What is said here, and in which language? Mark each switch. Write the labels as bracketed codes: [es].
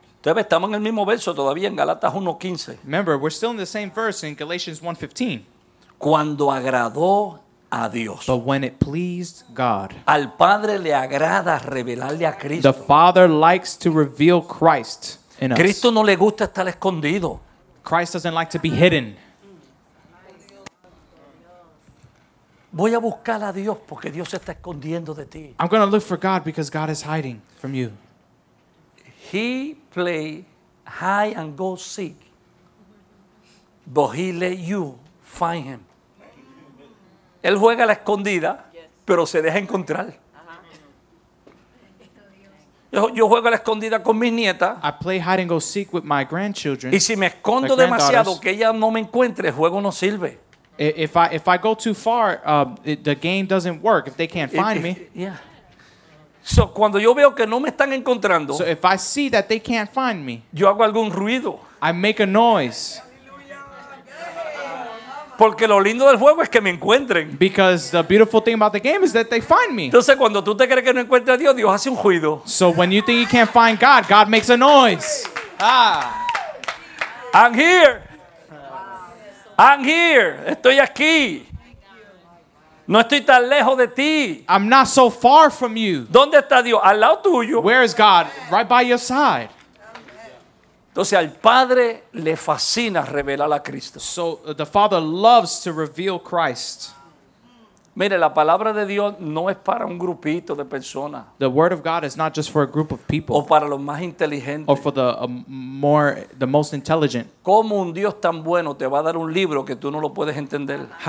[es] Entonces, estamos en el mismo verso todavía en Galatas 1:15. [en] Remember, we're still in the same verse in Galatians 1:15. [es] Cuando agradó a Dios. [en] But when it pleased God. [es] Al Padre le agrada revelarle a Cristo. [en] The Father likes to reveal Christ in us. [es] Cristo no le gusta estar escondido. [en] Christ doesn't like to be hidden. [es] Voy a buscar a Dios porque Dios está escondiendo de ti. [en] I'm going to look for God because God is hiding from you. He play hide and go seek. But he let you find him. [es] Él juega a la escondida, pero se deja encontrar. Yo juego a la escondida con mis nietas. [en] I play hide and go seek with my grandchildren. [es] Y si me escondo demasiado, que ella no me encuentre, el juego no sirve. [en] If I go too far, the game doesn't work if they can't find me. [es] So cuando yo veo que no me están encontrando, [en] so if I see that they can't find me, [es] yo hago algún ruido. [en] I make a noise. [es] Porque lo lindo del juego es que me encuentren. [en] Because the beautiful thing about the game is that they find me. [es] Entonces cuando tú te crees que no encuentras a Dios, Dios hace un ruido. [en] So when you think you can't find God, God makes a noise. Ah. I'm here. I'm here. [es] Estoy aquí. No estoy tan lejos de ti. [en] I'm not so far from you. [es] ¿Dónde está Dios? Al lado tuyo. [en] Where is God? Right by your side. [es] Entonces al Padre le fascina revelar a Cristo. [en] So the Father loves to reveal Christ. [es] Mire, la palabra de Dios no es para un grupito de personas. [en] The word of God is not just for a group of people. [es] O para los más inteligentes. [en] Or for the more, the most intelligent. [es] ¿Cómo un Dios tan bueno te va a dar un libro que tú no lo puedes entender?